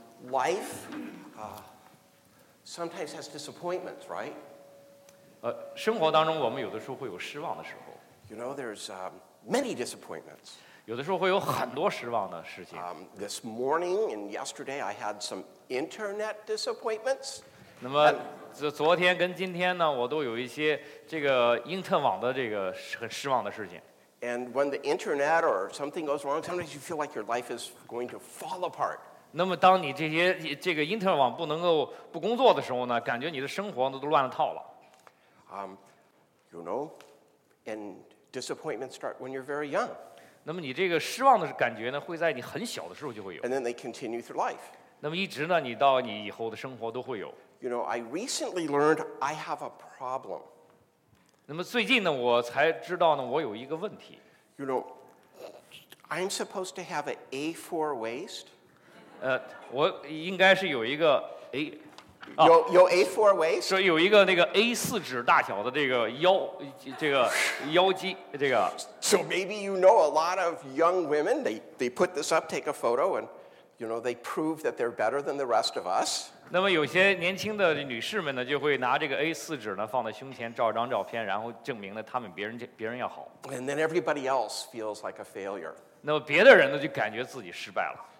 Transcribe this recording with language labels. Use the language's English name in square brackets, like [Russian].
[English] Life sometimes has disappointments, right? [Chinese] 生活当中我们有的时候会有失望的时候。 [English] You know, there's many disappointments. [Chinese] 有的时候会有很多失望的事情。 [English] This morning and yesterday, I had some internet disappointments. [Chinese] 那么昨天跟今天呢，我都有一些这个英特网的这个很失望的事情。 [English] And when the internet or something goes wrong, sometimes you feel like your life is going to fall apart. [Chinese] 那么当你这个英特网不工作的时候呢，感觉你的生活都乱了套了。 [English] You know, and disappointments start when you're very young. [Chinese] 那么你这个失望的感觉呢，会在你很小的时候就会有。 [English] And then they continue through life. [Chinese] 那么一直呢，你到你以后的生活都会有。 [English] You know, I recently learned I have a problem. [Chinese] 那么最近呢，我才知道呢，我有一个问题。 [English] You know, I'm supposed to have an A4 waist. [Chinese] 我应该是有一个 A。 [English] 有 A4 waist. [Chinese] 说有一个那个 A4 纸大小的这个腰，这个腰肌，这个。 [English] So maybe you know a lot of young women. They put this up, take a photo, and you know they prove that they're better than the rest of us. [Chinese] 那么有些年轻的女士们呢，就会拿这个 A4 纸呢放在胸前照一张照片，然后证明了她们别人要好。 [English] And then everybody else feels like a failure. [Chinese] 那么别的人呢就感觉自己失败了。